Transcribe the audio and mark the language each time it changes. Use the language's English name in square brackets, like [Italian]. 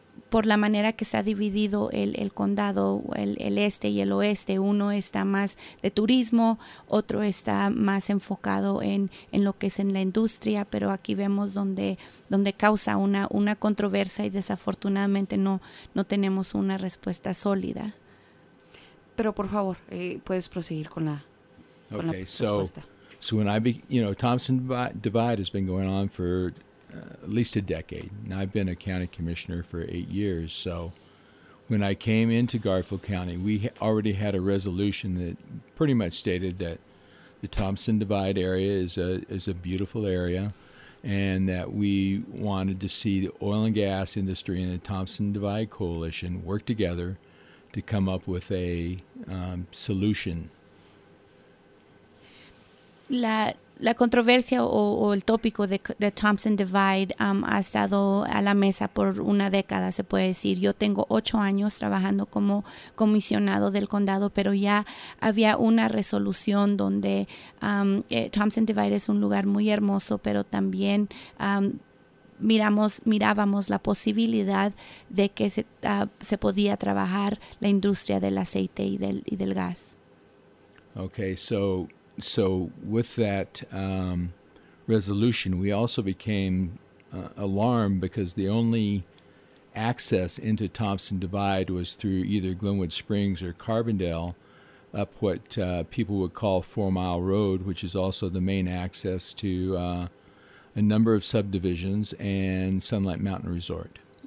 [Spanish] por la manera que se ha dividido el condado, el este y el oeste, uno está más de turismo, otro está más enfocado en lo que es en la industria, pero aquí vemos donde causa una controversia y desafortunadamente no tenemos una respuesta sólida. Pero por favor, puedes proseguir con la, okay, con la respuesta. [English] So when I Thompson Divide has been going on for at least a decade. Now, I've been a county commissioner for 8 years, so when I came into Garfield County, we already had a resolution that pretty much stated that the Thompson Divide area is a beautiful area, and that we wanted to see the oil and gas industry and the Thompson Divide Coalition work together to come up with a solution. [Spanish] La controversia o el tópico de Thompson Divide ha estado a la mesa por una década, se puede decir. Yo tengo 8 años trabajando como comisionado del condado, pero ya había una resolución donde Thompson Divide es un lugar muy hermoso, pero también mirábamos la posibilidad de que se podía trabajar la industria del aceite y del gas. [English] Okay, So with that resolution, we also became alarmed because the only access into Thompson Divide was through either Glenwood Springs or Carbondale, up what people would call 4 Mile Road, which is also the main access to a number of subdivisions and Sunlight Mountain Resort.